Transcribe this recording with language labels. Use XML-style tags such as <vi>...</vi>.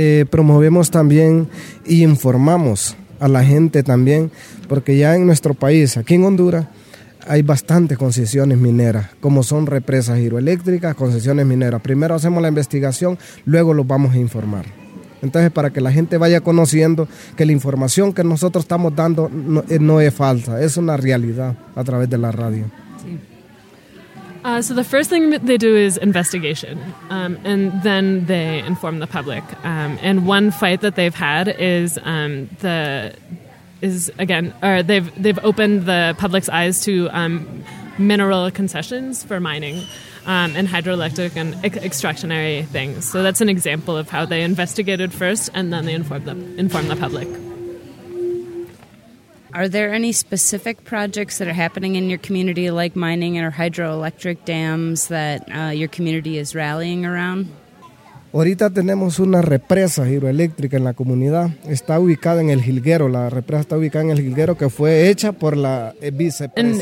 <es>Promovemos también y informamos a la gente también, porque ya en nuestro país, aquí en Honduras, hay bastantes concesiones mineras, como son represas hidroeléctricas, concesiones mineras. Primero hacemos la investigación, luego los vamos a informar. Entonces, para que la gente vaya conociendo que la información que nosotros estamos dando no es falsa, es una realidad a través de la radio.</es> <en>So the first thing that they do is investigation, and then they inform the public. And one fight that they've had is they've opened the public's eyes to mineral concessions for mining and hydroelectric and extractionary things. So that's an example of how they investigated first and then they informed the public. Are there any specific projects that are happening in your community, like mining or hydroelectric dams, that your community is rallying around?</en> <es>Ahorita tenemos una represa hidroeléctrica en la comunidad. Está ubicada en el Jilguero. La represa está ubicada en el Jilguero, que fue hecha por la vicepresidenta.</es>